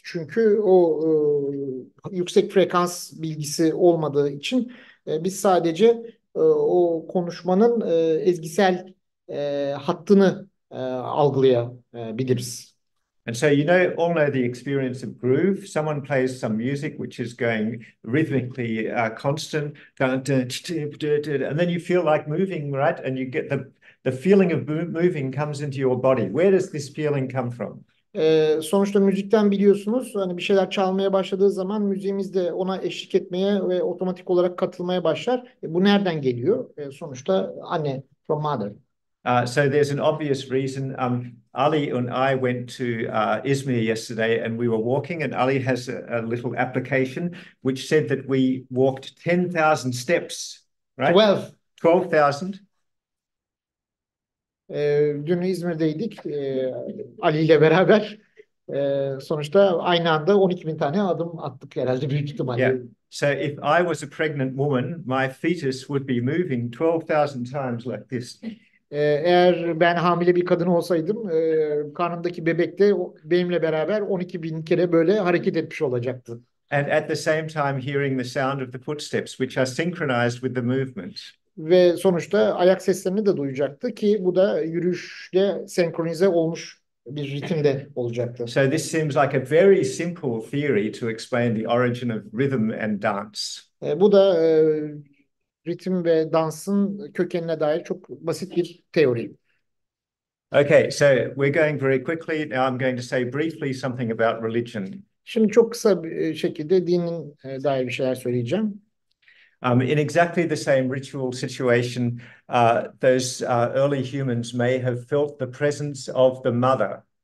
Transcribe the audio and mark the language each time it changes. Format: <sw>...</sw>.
<tr>Çünkü o yüksek frekans bilgisi olmadığı için biz sadece o konuşmanın ezgisel hattını algılayabiliriz.</tr> <en>And so you know, all know the experience of groove. Someone plays some music which is going rhythmically constant, and then you feel like moving, right? And you get the feeling of moving comes into your body. Where does this feeling come from?</en> <tr>Sonuçta müzikten biliyorsunuz, hani bir şeyler çalmaya başladığı zaman müziğimiz de ona eşlik etmeye ve otomatik olarak katılmaya başlar. Bu nereden geliyor? Sonuçta anne,</tr> <en>from mother. So there's an obvious reason. Ali and I went to Izmir yesterday and we were walking, and Ali has a little application which said that we walked 10,000 steps, right? 12,000.</en> <tr>Dün İzmir'deydik Ali ile beraber. Sonuçta aynı anda 12.000 tane adım attık herhalde, büyük ihtimalle.</tr> <en>Yeah. So if I was a pregnant woman, my fetus would be moving 12,000 times like this.</en> <tr>Eğer ben hamile bir kadın olsaydım, karnımdaki bebek de benimle beraber 12.000 kere böyle hareket etmiş olacaktı.</tr> <en>And at the same time hearing the sound of the footsteps, which are synchronized with the movement.</en> <tr>Ve sonuçta ayak seslerini de duyacaktı ki bu da yürüyüşle senkronize olmuş bir ritimde olacaktı.</tr> <en>So this seems like a very simple theory to explain the origin of rhythm and dance.</en> <tr>Bu da ritim ve dansın kökenine dair çok basit bir teori.</tr> <en>Okay, so we're going very quickly. Now I'm going to say briefly something about religion.</en> <tr>Şimdi çok kısa bir şekilde dinin dair bir şeyler söyleyeceğim.</tr> <en>In exactly the same ritual situation, those early humans may have felt the presence of the mother.</en>